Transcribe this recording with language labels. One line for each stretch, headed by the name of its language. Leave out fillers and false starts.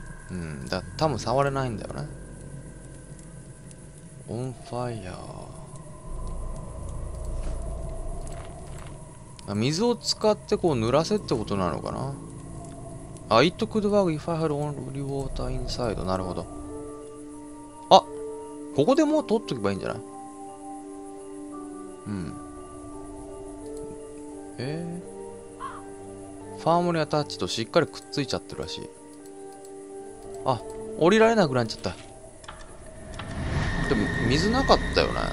Japanese: うん、だ、多分触れないんだよね。オンファイヤー。水を使ってこう濡らせってことなのかな。
English: あ、It could work if I had only water inside。
Japanese: なるほど。あ、ここでもう取っとけばいいんじゃない。うん、ファームにアタッチとしっかりくっついちゃってるらしい。あ、降りられなくなっちゃった。でも水なかったよね。